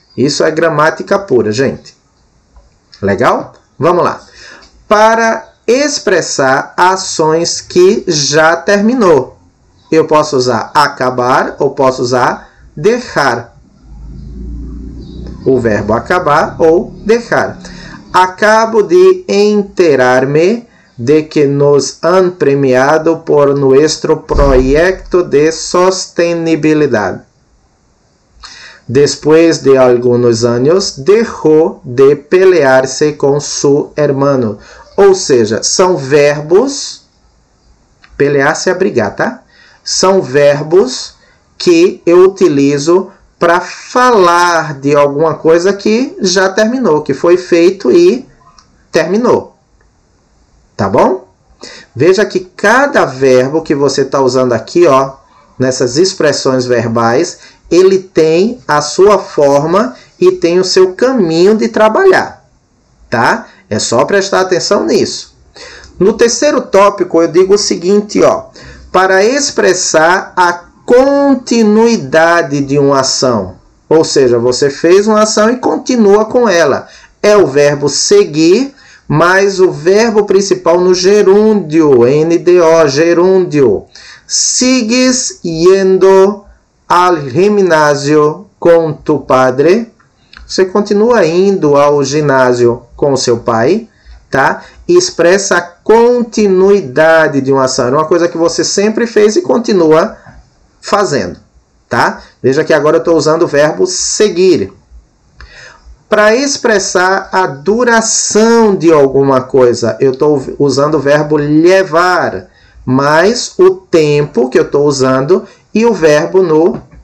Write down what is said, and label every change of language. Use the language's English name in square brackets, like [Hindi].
[Portuguese] Isso é gramática pura, gente. Legal? Vamos lá. Para expressar ações que já terminou, eu posso usar acabar ou posso usar deixar. o verbo acabar ou deixar. [Spanish] Acabo de enterar-me de que nos han premiado por nuestro proyecto de sostenibilidad. Después de algunos años, dejó de pelearse con su hermano. [Portuguese] Ou seja, são verbos, pelear se abrigar, tá? São verbos que eu utilizo para falar de alguma coisa que já terminou, que foi feito e terminou. Tá bom? Veja que cada verbo que você está usando aqui, ó, nessas expressões verbais, ele tem a sua forma e tem o seu caminho de trabalhar, tá? É só prestar atenção nisso. No terceiro tópico, eu digo o seguinte, ó, para expressar a continuidade de uma ação, ou seja, você fez uma ação e continua com ela, é o verbo seguir, mais o verbo principal no gerúndio, NDO, gerúndio. [Spanish] Sigues yendo al gimnasio con tu padre. [Portuguese] Você continua indo ao ginásio com seu pai, tá? Expressa a continuidade de uma ação. É uma coisa que você sempre fez e continua fazendo, tá? Veja que agora eu estou usando o verbo seguir. Para expressar a duração de alguma coisa, eu estou usando o verbo levar, mais o tempo que eu estou usando e o verbo no...